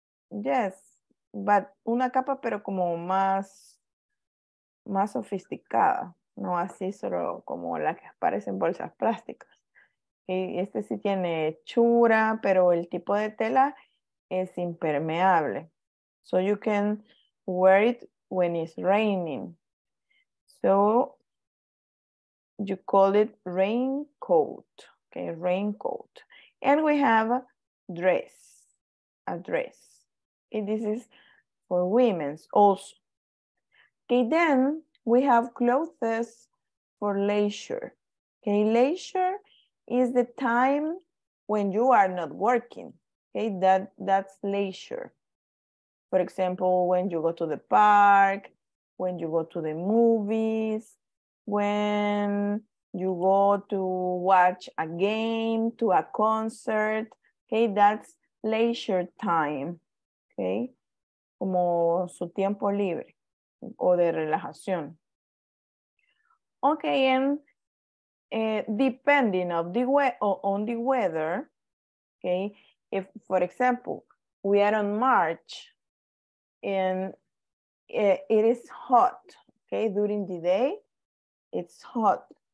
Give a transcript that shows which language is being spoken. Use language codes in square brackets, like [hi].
[en] Yes, but [es] una capa, pero como más sofisticada, no así solo como las que parecen bolsas plásticas. Y este sí tiene hechura, pero el tipo de tela es impermeable. [en] So you can wear it when it's raining. So you call it raincoat. Okay, raincoat. And we have a dress. And this is for women's also. Okay, then we have clothes for leisure. Okay, leisure is the time when you are not working. Okay, that's leisure. For example, when you go to the park, when you go to the movies, when you go to watch a game, to a concert. Okay, that's leisure time. [es] Okay, como su tiempo libre o de relajación. [en] Okay, and depending on the weather, okay, if, for example, we are on March and it is hot, okay, during the day, it's hot.